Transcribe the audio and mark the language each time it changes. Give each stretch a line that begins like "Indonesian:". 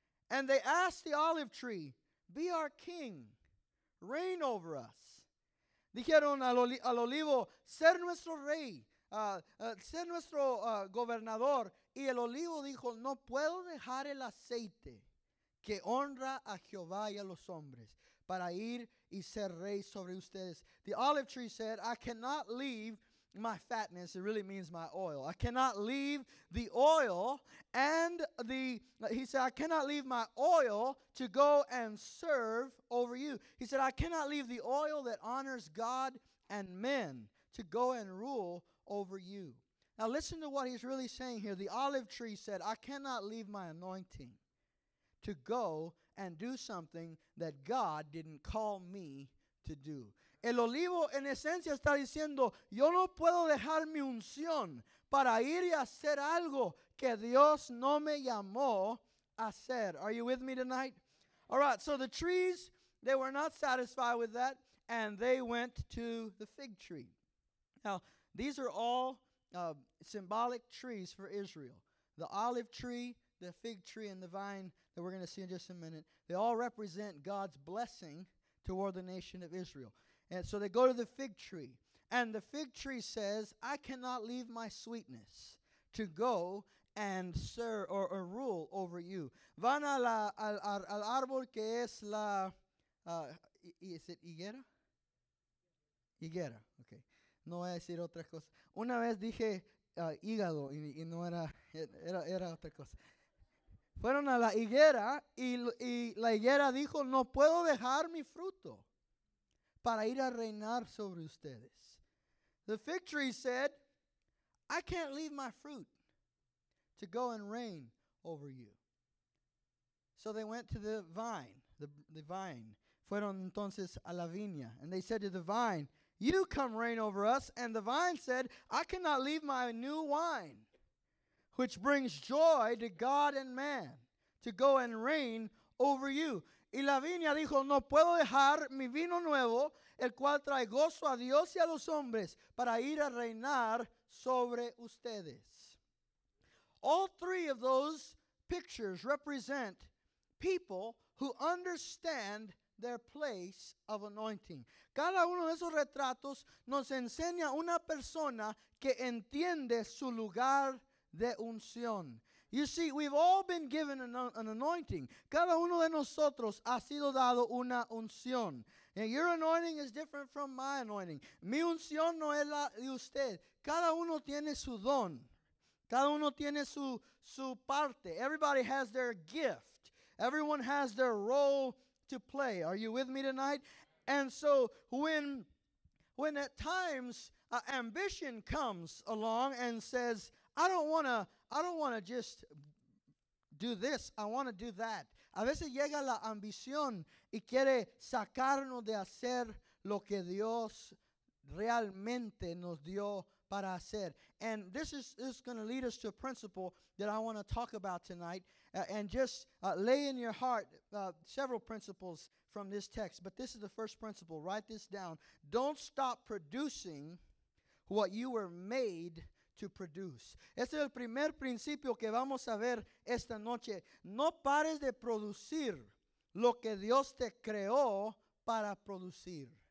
English: And they asked the olive tree, be our king, reign over us.
Spanish: Dijeron al olivo, ser nuestro rey, ser nuestro gobernador. Y el olivo dijo, no puedo dejar el aceite que honra a Jehová y a los hombres para ir y ser rey sobre ustedes.
English: The olive tree said, I cannot leave my fatness, it really means my oil. I cannot leave the oil and the, he said, I cannot leave my oil to go and serve over you. He said, I cannot leave the oil that honors God and men to go and rule over you. Now listen to what he's really saying here. The olive tree said, I cannot leave my anointing to go and do something that God didn't call me to do.
Spanish: El olivo en esencia está diciendo, yo no puedo dejar mi unción para ir y hacer algo que Dios no me llamó a hacer.
English: Are you with me tonight? All right, so the trees, they were not satisfied with that, and they went to the fig tree. Now, these are all symbolic trees for Israel. The olive tree, the fig tree, and the vine that we're going to see in just a minute, they all represent God's blessing toward the nation of Israel. And so they go to the fig tree. And the fig tree says, I cannot leave my sweetness to go and serve or rule over you.
Spanish: Van al árbol que es la,
English: is it
Spanish: higuera? Higuera, okay. No voy a decir otra cosa. Una vez dije hígado y no era otra cosa. Fueron a la higuera y la higuera dijo, no puedo dejar mi fruto para ir a reinar sobre ustedes.
English: The fig tree said, I can't leave my fruit to go and reign over you. So they went to the vine, the vine.
Spanish: Fueron entonces a la viña.
English: And they said to the vine, you come reign over us. And the vine said, I cannot leave my new wine, which brings joy to God and man, to go and reign over you.
Spanish: Y la viña dijo, no puedo dejar mi vino nuevo, el cual trae gozo a Dios y a los hombres, para ir a reinar sobre ustedes.
English: All three of those pictures represent people who understand their place of anointing.
Spanish: Cada uno de esos retratos nos enseña una persona que entiende su lugar de unción.
English: You see, we've all been given an anointing.
Spanish: Cada uno de nosotros ha sido dado una unción.
English: And your anointing is different from my anointing.
Spanish: Mi unción no es la de usted. Cada uno tiene su don. Cada uno tiene su parte.
English: Everybody has their gift. Everyone has their role to play. Are you with me tonight? And so when at times ambition comes along and says, I don't want to just do this. I want to do that.
Spanish: A veces llega la ambición y quiere sacarnos de hacer lo que Dios realmente nos dio para hacer.
English: And this is going to lead us to a principle that I want to talk about tonight. Lay in your heart several principles from this text. But this is the first principle. Write this down. Don't stop producing what you were made to produce.
Spanish: Este es el primer principio que vamos a ver esta noche. No pares de producir lo que Dios te creó para producir.